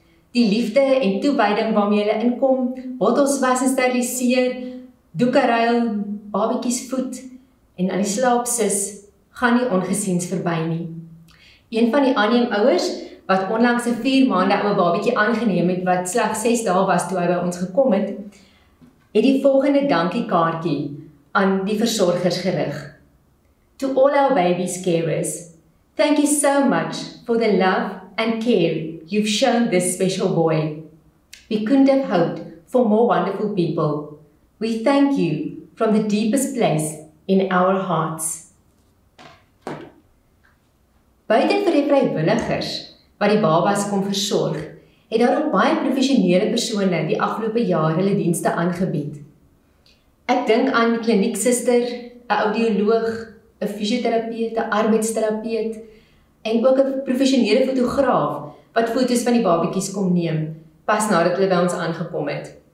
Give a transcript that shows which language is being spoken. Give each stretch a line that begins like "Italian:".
Afrikaans: Die liefde en toewijding waarmee hulle inkom, bottels was en steriliseer, doeke ruil, babiekies voed en aan die slaapsis gaan nie ongesiens verby nie. Een van die aanneemouers wat onlangs 'n 4 maande ouwe babiekie aangeneem het wat slegs 6 dae was toe hy by ons gekom het, het die volgende dankiekaartjie aan die versorgers gerig.
English: To all our baby's carers, thank you so much for the love and care you've shown this special boy. We couldn't have hoped for more wonderful people. We thank you from the deepest place in our hearts.
Afrikaans: Buiten vir die vrijwilligers wat die babas kom versorg, het daar ook baie professionele persone die afgelopen jaar hulle dienste aangebied. Ek dink aan 'n klinieksuster, 'n audioloog, 'n fysioterapeut, 'n arbeidsterapeut en ook 'n professionele fotograaf wat foto's van die babiekies kom neem pas nadat hulle by ons aangekom het.